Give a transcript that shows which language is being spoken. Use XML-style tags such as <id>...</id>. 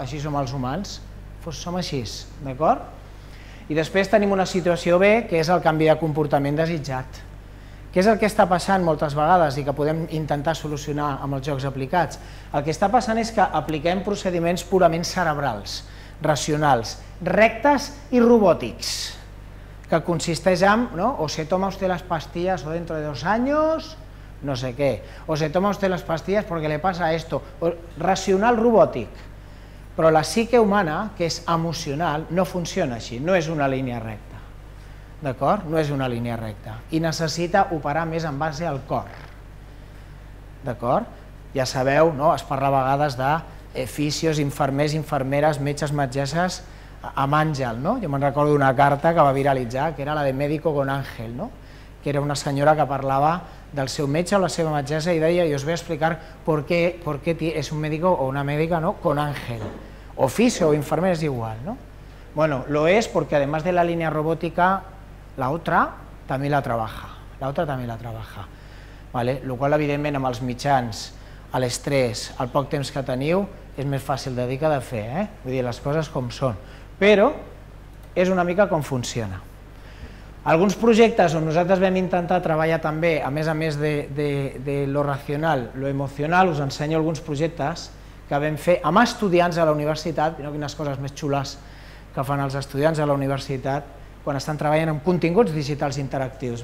<ca>Així som els humans, som així, d'acord? I després tenim una situació B, que és el canvi de comportament desitjat. Què és el que està passant moltes vegades i que podem intentar solucionar amb els jocs aplicats? El que està passant és que apliquem procediments purament cerebrals, racionals, rectes i robòtics, que consisteix en, no?</ca> <es>O se toma usted las pastillas o dentro de 2 años,</es> <ca>no sé què,</ca> <es>o se toma usted las pastillas porque le pasa esto, o, racional, robòtic.</es> <ca>Però la psique humana, que és emocional, no funciona així, no és una línia recta. D'acord? No és una línia recta. I necessita operar més en base al cor. D'acord? Ja sabeu, no? Es parla a vegades de fisios, infermers, infermeres, metges, metgesses, amb àngel. No? Jo me'n recordo d'una carta que va viralitzar, que era la de Médico con Ángel, no? Que era una senyora que parlava del seu metge o la seva metgessa i deia, jo us vull explicar per què és un médico o una mèdica, no? Con Ángel. Oficio o infermer és igual, no?</ca> <es>Bueno, lo es porque además de la línea robótica, la otra también la trabaja. La otra también la trabaja. ¿Vale? Lo cual,</es> <ca>evidentment, amb els mitjans, l'estrès, el poc temps que teniu, és més fàcil de dir que de fer, eh? Vull dir, les coses com són. Però és una mica com funciona. Alguns projectes on nosaltres vam intentar treballar també, a més de lo racional, lo emocional, us ensenyo alguns projectes que vam fer amb estudiants a la universitat, mireu quines coses més xules que fan els estudiants a la universitat quan estan treballant amb continguts digitals interactius.</ca>